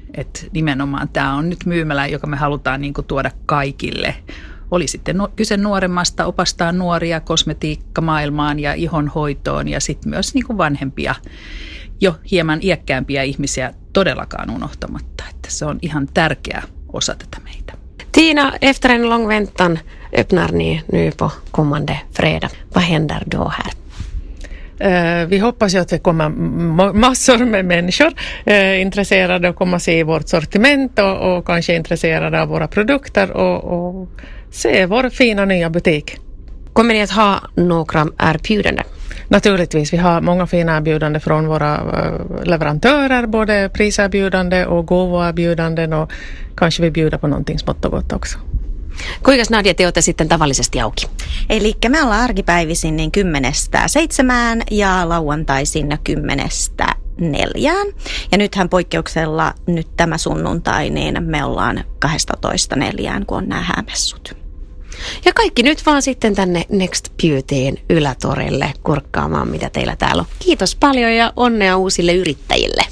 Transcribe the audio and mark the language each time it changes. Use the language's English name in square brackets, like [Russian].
[Finnish] Et nimenomaan tämä on nyt myymälä, joka me halutaan niinku tuoda kaikille. Oli sitten kyse nuoremmasta, opastaa nuoria kosmetiikkamaailmaan ja ihonhoitoon ja sitten myös niinku vanhempia, jo hieman iäkkäämpiä ihmisiä todellakaan unohtamatta. Että se on ihan tärkeä osa tätä meitä. [Swedish] Tina, efter en lång väntan öppnar ni nu på kommande fredag. Vad händer då här? Vi hoppas ju att det kommer massor med människor intresserade att komma och se vårt sortiment och kanske intresserade av våra produkter och se vår fina nya butik. Kommer ni att ha några erbjudanden? Naturligtvis, vi har många fina erbjudanden från våra leverantörer, både priserbjudanden och gåvoerbjudanden och kanske vi bjuder på någonting smått och gott också. [Finnish] Kuinka Nadia, te olette sitten tavallisesti auki? Eli me ollaan arkipäivisin niin 10-7 ja lauantaisin 10-4. Ja nythän poikkeuksella nyt tämä sunnuntai, niin me ollaan 12-4, kun on nämä häämessut. Ja kaikki nyt vaan sitten tänne Next Beautyin ylätorille kurkkaamaan, mitä teillä täällä on. Kiitos paljon ja onnea uusille yrittäjille.